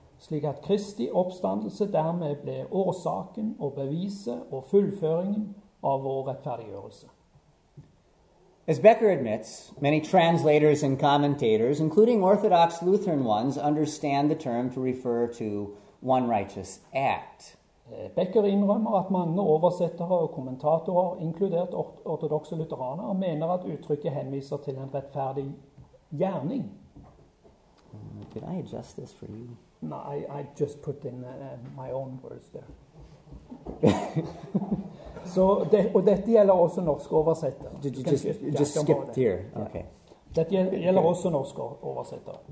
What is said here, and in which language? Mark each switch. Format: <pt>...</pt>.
<no>Slik at Kristi oppstandelse dermed ble årsaken og beviset og fullføringen av vår rettferdiggjørelse.</no> <en>As Becker admits, many translators and commentators, including Orthodox Lutheran ones, understand the term to refer to one righteous act.</en> <no>Becker innrømmer at mange oversettere og kommentatorer, inkludert ortodoxe lutheraner, mener at uttrykket henviser til en rettferdig gjerning.</no> <en>Did I adjust this for you? No, I just put in my own words there.</en> <no>Så og dette gjelder også norske oversettere.</no> <en>Just skip here. Okay.</en> <no>Dette gjelder også norske oversettere.</no>